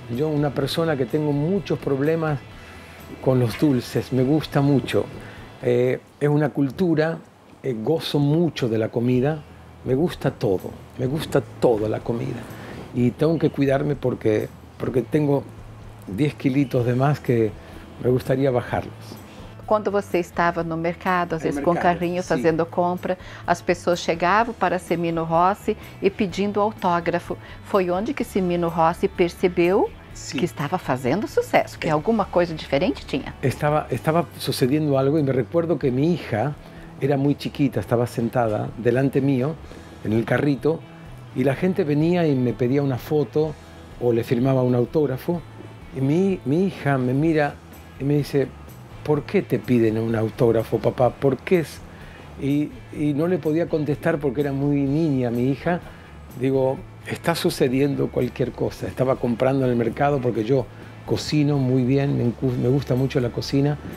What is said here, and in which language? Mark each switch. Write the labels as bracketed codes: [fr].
[es] Yo, una persona que tengo muchos problemas con los dulces, me gusta mucho. Es una cultura, gozo mucho de la comida. Me gusta toda la comida. Y tengo que cuidarme porque tengo 10 kilitos de más que me gustaría bajarlos. [pt] Quando você estava no mercado, às vezes com carrinho, sim, fazendo compra, as pessoas chegavam para Semino Rossi e pedindo autógrafo. Foi onde que Semino Rossi percebeu, sim, que estava fazendo sucesso, que alguma coisa diferente tinha? Estava sucedendo algo e me recuerdo que minha hija era muito chiquita, estava sentada [es] delante mío, en el carrito, [pt] e a gente venia e me pedia uma foto ou le firmava um autógrafo. E minha hija [es] me mira e me dice: ¿por qué te piden un autógrafo, papá? ¿Por qué es? Y no le podía contestar porque era muy niña mi hija. Digo, está sucediendo cualquier cosa. Estaba comprando en el mercado porque yo cocino muy bien, me gusta mucho la cocina.